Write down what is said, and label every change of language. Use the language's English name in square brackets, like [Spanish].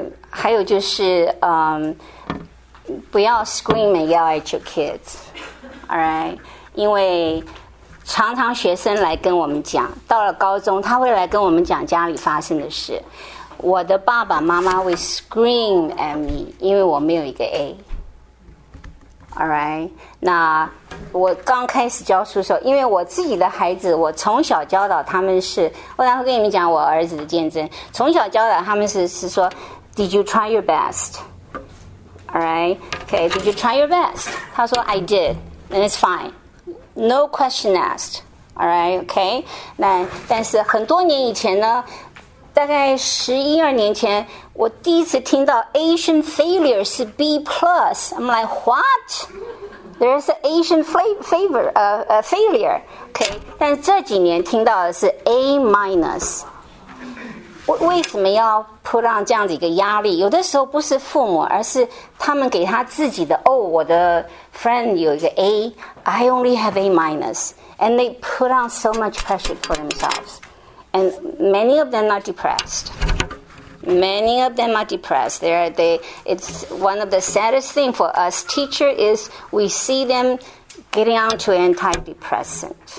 [Chinese] 还有就是不要 [English] scream and yell at your kids, all right? [Chinese] 因为常常学生来跟我们讲，到了高中他会来跟我们讲家里发生的事。我的爸爸妈妈会 [English] scream at me, [Chinese] 因为我没有一个 A, [English] all right? [Chinese] 那我刚开始教书的时候，因为我自己的孩子，我从小教导他们是，我待会跟你们讲我儿子的见证。从小教导他们是说 [English] ，Did you try your best? All right, okay. Did you try your best? [Chinese] 他说 [English] ，I did, and it's fine. No question asked. All right, okay. [Chinese] 那但是很多年以前呢，大概11、12年前，我第一次听到 Asian failure 是 B plus. [English] I'm like what? There's an Asian failure. Okay, [Chinese] 但这几年听到的是 A minus. 为什么要 [English] put on [Chinese] 这样的一个压力？有的时候不是父母，而是他们给他自己的。哦，我的 [English] friend [Chinese] 有一个 [English] A, I only have A minus, and they put on so much pressure for themselves, and many of them are depressed. Many of them are depressed. It's one of the saddest things for us teachers is we see them getting onto antidepressant.